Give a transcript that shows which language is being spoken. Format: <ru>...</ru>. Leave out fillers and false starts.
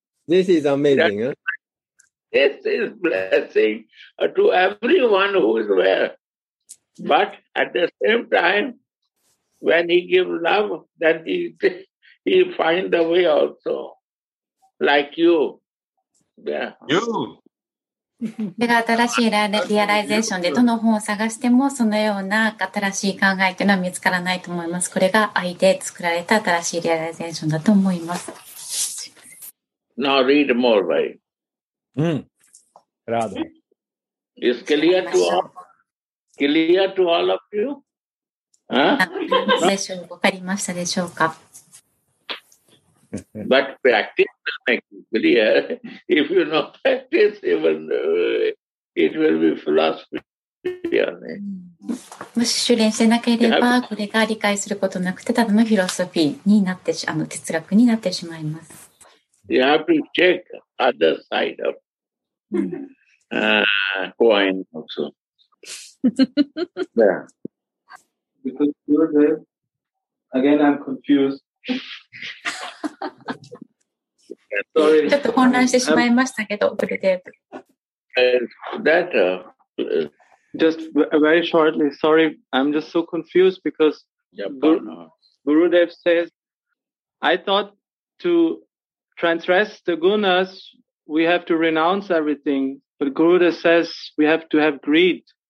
<en>this is amazing. Huh? This is blessing to everyone who is there. But at the same time, when he gives love, then he finds the way also, like you. Yeah.</en> <ja>You. 新しいリアライゼーションでどの本を探してもそのような新しい考えというのは見つからないと思います。これが愛で作られた新しいリアライゼーションだと思います。</ja> <en>Now read more, right? Grado. Is clear to all? Clear to all of you?</en> <ja>リアライゼーション分かりましたでしょうか？</ja> <en>But practice will make it clear. If you not practice, even it will be philosophy.</en> <ja>もし修練してなければ、これが理解することなくてただのフィロソフィーになってし、あの哲学になってしまいます。</ja> <en>You have to check other side of coin also. Again, I'm confused.</en> <ja>ちょっと混乱してしまいましたけど、グルデーブ。</ja> <en>Just very shortly, sorry, I'm just so confused because Gurudev says, I thought to transgress the gunas, we have to renounce everything, but Gurudev says we have to have greed.</en>